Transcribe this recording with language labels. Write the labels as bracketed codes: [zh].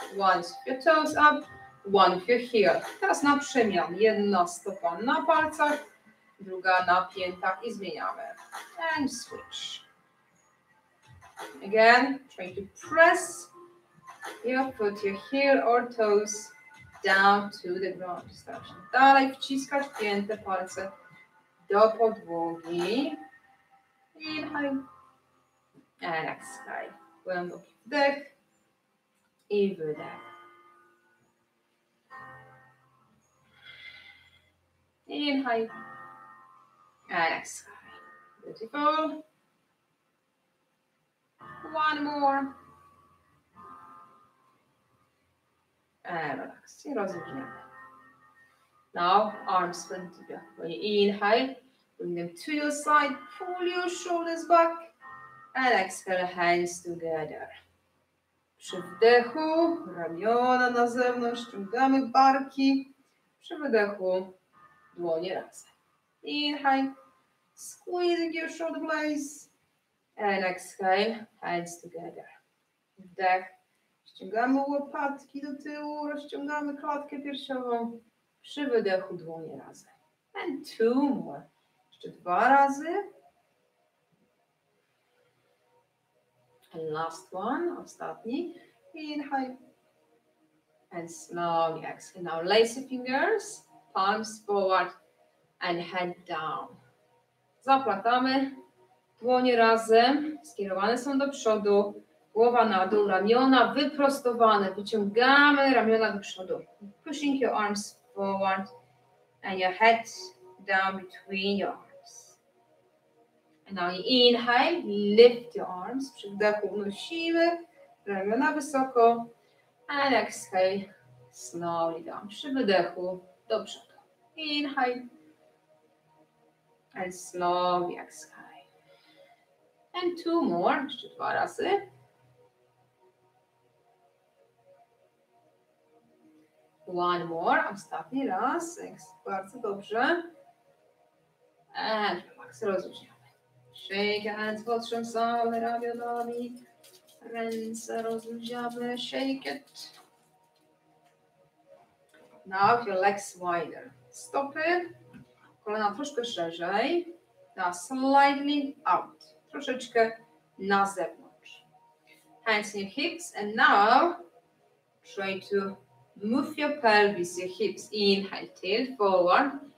[en] One with your toes up, one with your heel. [pl] Teraz na przemian. Jedna stopa na palcach, druga na piętach i zmieniamy. [en] And switch. Again, try to press your foot, your heel or toes down to the ground. [pl] Staram się dalej wciskać pięte palce do podłogi. [en] Inhale. And exhale. [pl] Głęboki wdech i wydech. [en] Inhale. And exhale. Beautiful. One more. And relax. [pl] I rozluźniamy. [en] Now, arms bend together. When you inhale, bring them to your side, pull your shoulders back, and exhale, hands together. [pl] Przy wdechu, ramiona na zewnątrz, ściągamy barki. Przy wydechu, dłonie razem. [en] Inhale, squeezing your shoulder blades, and exhale, hands together. [pl] Wdech, ściągamy łopatki do tyłu, rozciągamy klatkę piersiową. Przy wydechu dłonie razem. [en] And two more. [pl] Jeszcze dwa razy. [en] And last one. [pl] Ostatni. [en] Inhale. And slowly exhale. Now lace your fingers. Palms forward. And head down. [pl] Zaplatamy. Dłonie razem. Skierowane są do przodu. Głowa na dół. Ramiona wyprostowane. Wyciągamy ramiona do przodu. [en] Pushing your arms forward and your head down between your arms. And now you inhale, lift your arms. [pl] Przy wdechu unosimy ramiona wysoko. [en] And exhale, slowly down. [pl] Przy wydechu do przodu. [en] Inhale. And slowly exhale. And two more. [pl] Jeszcze dwa razy. [en] One more, [pl] ostatni raz, bardzo dobrze. [en] And relax, [pl] rozluźniamy. [en] Shake your hands, [pl] potrząsamy ramionami. Ręce rozluźniamy, [en] shake it. Now your legs wider. [pl] Stopy, kolana troszkę szerzej. [en] Now slightly out, [pl] troszeczkę na zewnątrz. [en] Hands in your hips and now try to move your pelvis, your hips, inhale, tail forward.